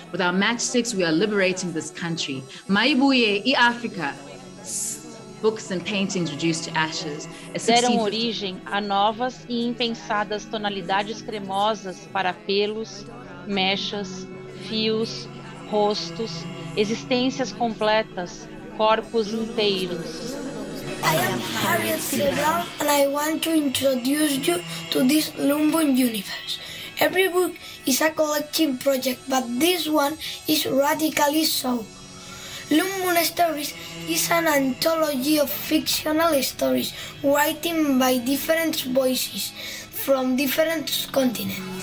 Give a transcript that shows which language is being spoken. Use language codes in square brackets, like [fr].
[en] With our matchsticks, we are liberating this country. [zu] Maibuye I Africa. [en] Books and paintings reduced to ashes. [pt] Deram origem a novas e impensadas tonalidades cremosas para pelos, mechas, fios, rostos, existências completas, corpos inteiros. [en] I am Harriet Silver, and I want to introduce you to this Lumbung universe. Every book is a collective project, but this one is radically so. Lumbung Stories is an anthology of fictional stories written by different voices from different continents.